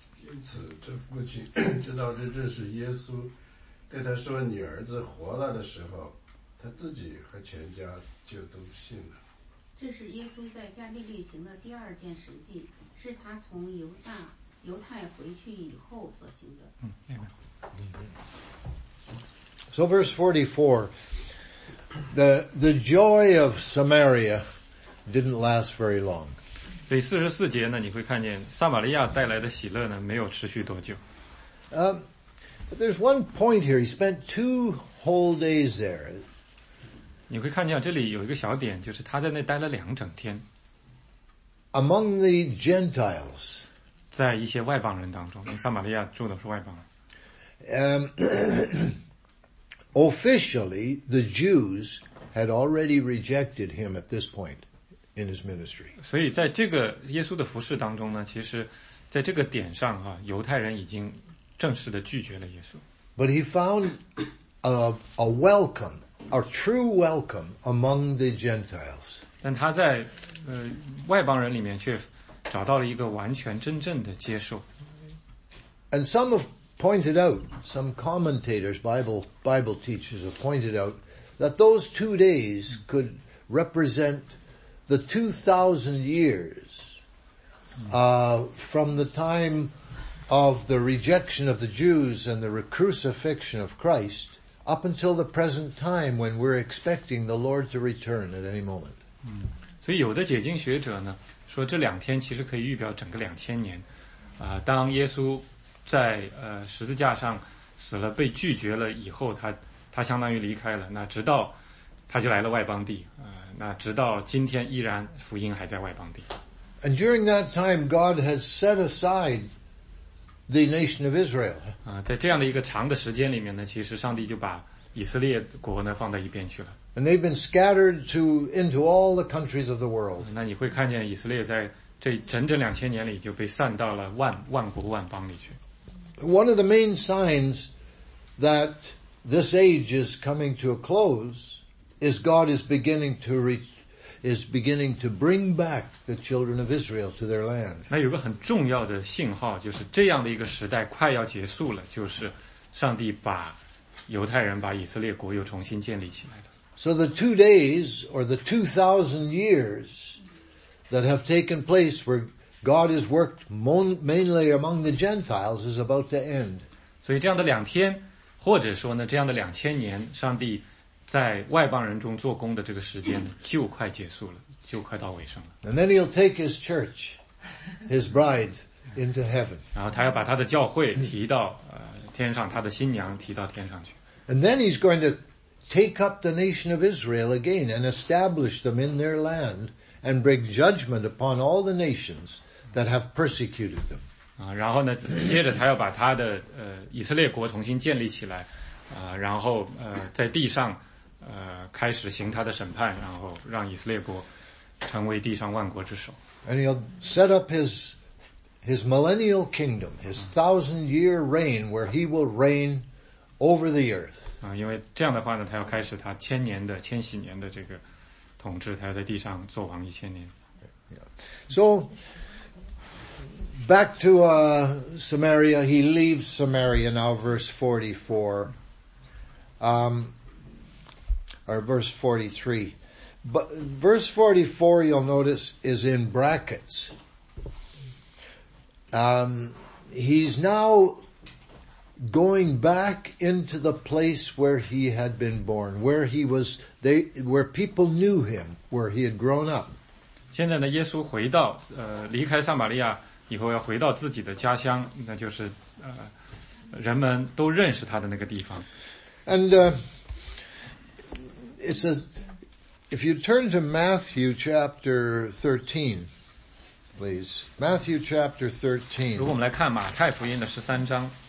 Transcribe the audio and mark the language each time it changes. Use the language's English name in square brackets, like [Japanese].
[Chinese] 因此这父亲知道这正是耶稣对他说你儿子活了的时候，他自己和全家就都信了。这是耶稣在加利利行的第二件神迹，是他从犹太回去以后所行的。 [English] So verse 44, the joy of Samaria didn't last very long. [Chinese] 所以44节呢，你会看见撒玛利亚带来的喜乐呢，没有持续多久。 [English] But there's one point here. He spent two whole days there. [Chinese] 你会看见这里有一个小点，就是他在那待了两整天。 [English] Among the Gentiles. [Chinese] 在一些外邦人当中，撒玛利亚住的是外邦人。 [English] Officially, the Jews had already rejected him at this point in his ministry. [Chinese] 所以在这个耶稣的服事当中呢，其实在这个点上啊，犹太人已经正式的拒绝了耶稣。 [English] But he found a welcome, a true welcome among the Gentiles. [Chinese] 但他在外邦人里面却找到了一个完全真正的接受。 [English] And some of pointed out, some commentators, Bible teachers have pointed out that those 2 days could represent the 2,000 years from the time of the rejection of the Jews and the crucifixion of Christ up until the present time when we're expecting the Lord to return at any moment. [Chinese] 所以有的解经学者呢说这两天其实可以预表整个两千年，当耶稣在十字架上死了被拒绝了以后，他相当于离开了，那直到他就来了外邦地，那直到今天依然福音还在外邦地。 [English] And during that time, God has set aside the nation of Israel. [Chinese] 在这样的一个长的时间里面呢，其实上帝就把以色列国呢放在一边去了。 [English] And they've been scattered into all the countries of the world. [Chinese] 那你会看见以色列在这整整两千年里就被散到了万国万邦里去。 [English] One of the main signs that this age is coming to a close is God is beginning to bring back the children of Israel to their land. [Chinese] 那有个很重要的信号，就是这样的一个时代快要结束了，就是上帝把犹太人把以色列国又重新建立起来了。 [English] So the 2 days or the 2,000 years that have taken place where God has worked mainly among the Gentiles is about to end. [Chinese] 所以这样的两天，或者说呢，这样的两千年，上帝在外邦人中做工的这个时间就快结束了，就快到尾声了。 [English] And then he'll take his church, his bride, into heaven. [Chinese] 然后他要把他的教会提到天上，他的新娘提到天上去。 [English] And then he's going to take up the nation of Israel again and establish them in their land. And bring judgment upon all the nations that have persecuted them. [Chinese] 然后呢，接着他要把他的以色列国重新建立起来，然后在地上开始行他的审判，然后让以色列国成为地上万国之首。 [English] And he'll set up his millennial kingdom, his thousand year reign, where he will reign over the earth. [Chinese] 因为这样的话呢，他要开始他千年的千禧年的这个。统治他在地上做王一千年。 [English] So, back to Samaria, he leaves Samaria now, verse 44, or verse 43. But verse 44, you'll notice, is in brackets. He's now going back into the place where he had been born, where he was, where people knew him, where he had grown up. [Chinese] 现在呢，耶稣回到离开撒玛利亚以后，要回到自己的家乡，那就是人们都认识他的那个地方。 [English] And it says, if you turn to Matthew chapter 13, please. Matthew chapter 13. [Chinese] 如果我们来看马太福音的十三章。